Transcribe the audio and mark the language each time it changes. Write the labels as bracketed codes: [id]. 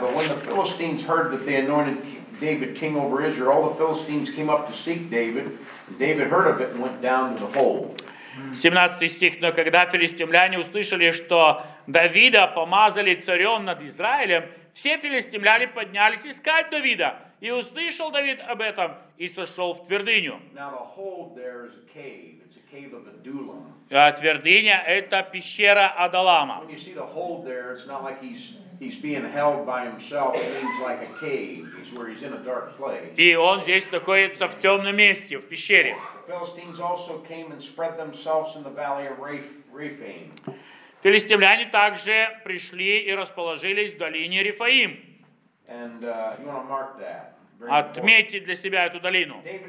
[en] But when the Philistines heard that they anointed David king over Israel, all the Philistines came up to seek David. David heard of it and went down to the hole. [ru] 17 стих. Но когда филистимляне услышали, что Давида помазали царем над Израилем, все филистимляне поднялись искать Давида. И услышал Давид об этом и сошел в твердыню. [en] Now the hole there is a cave. It's a cave of Adullam. [ru] А твердыня — это пещера Адалама. [en] When you see the hole there, it's not like he's being held by himself. It means like a cave. It's where he's in a dark place. [ru] И он здесь находится в темном месте, в пещере. [en] The Philistines also came and spread themselves in the valley of Rephaim. [ru] Филистимляне также пришли и расположились в долине Рефаим. [en] And you want to mark that. [ru] отметить для себя эту долину.